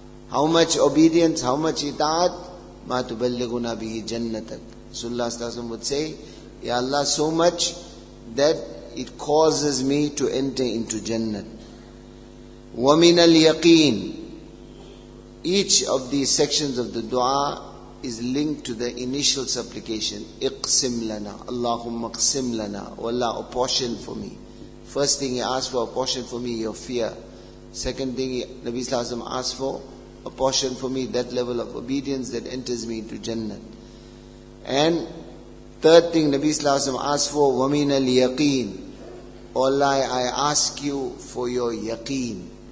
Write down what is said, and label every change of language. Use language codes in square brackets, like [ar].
[en] How much obedience, how much ita'at? [ar] مَا تُبَلِّغُنَا بِهِ جَنَّتَكْ [en] Rasulullah Sallallahu Alaihi Wasallam would say, Ya Allah, so much that it causes me to enter into Jannah. [ar] وَمِنَ الْيَقِينَ [en] Each of these sections of the dua is linked to the initial supplication. [ar] اِقْسِمْ لَنَا اللَّهُمَّ اقْسِمْ لَنَا [en] Allah, apportion for me. First thing he asked for, apportion for me, your fear. Second thing Nabi Sallallahu Alaihi Wasallam asked for, a portion for me, that level of obedience that enters me into Jannah. And third thing Nabi Sallallahu Alaihi Wasallam asked for, [ar] وَمِنَ الْيَقِينَ [en] O Allah, I ask you for your yaqeen.